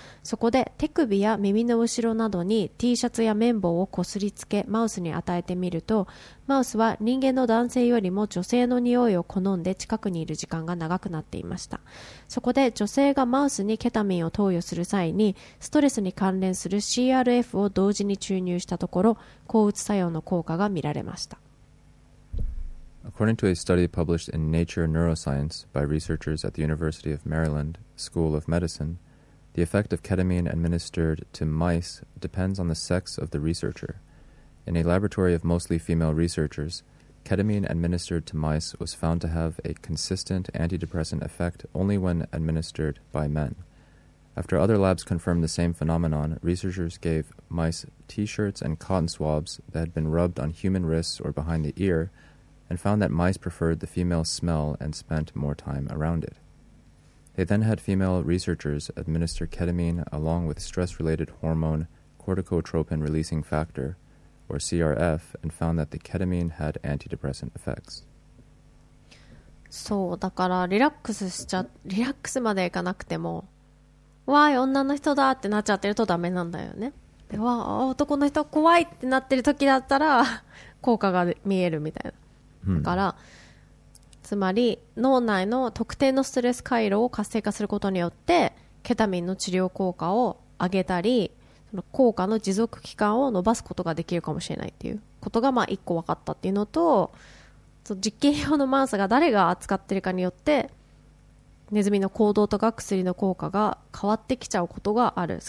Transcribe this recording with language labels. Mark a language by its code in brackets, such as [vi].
[ja] そこで手首や耳の後ろなどに T シャツや綿棒をこすりつけマウスに与えてみると、マウスは人間の男性よりも女性の匂いを好んで近くにいる時間が長くなっていました。そこで女性がマウスにケタミンを投与する際にストレスに関連する CRFを同時に注入したところ、抗うつ作用の効果が見られました。 [en] According to a study published in Nature Neuroscience by researchers at the University of Maryland School of Medicine, the effect of ketamine administered to mice depends on the sex of the researcher. In a laboratory of mostly female researchers, ketamine administered to mice was found to have a consistent antidepressant effect only when administered by men. After other labs confirmed the same phenomenon, researchers gave mice T-shirts and cotton swabs that had been rubbed on human wrists or behind the ear, and found that mice preferred the female smell and spent more time around it. They then had female researchers administer ketamine along with stress-related hormone corticotropin-releasing factor, or CRF, and found that the ketamine had antidepressant effects. [ja] そう、だからリラックスまでいかなくてもわーい女の人だってなっちゃってるとダメなんだよね。でわー男の人怖いってなってる時だったら効果が見えるみたいな、hmm. だからつまり脳内の特定のストレス回路を活性化することによってケタミンの治療効果を上げたり、その効果の持続期間を伸ばすことができるかもしれないっていうことが、まあ一個分かったっていうのと、その実験用のマウスが誰が扱ってるかによってネズミの行動とか薬の効果が変わってきちゃうことがある。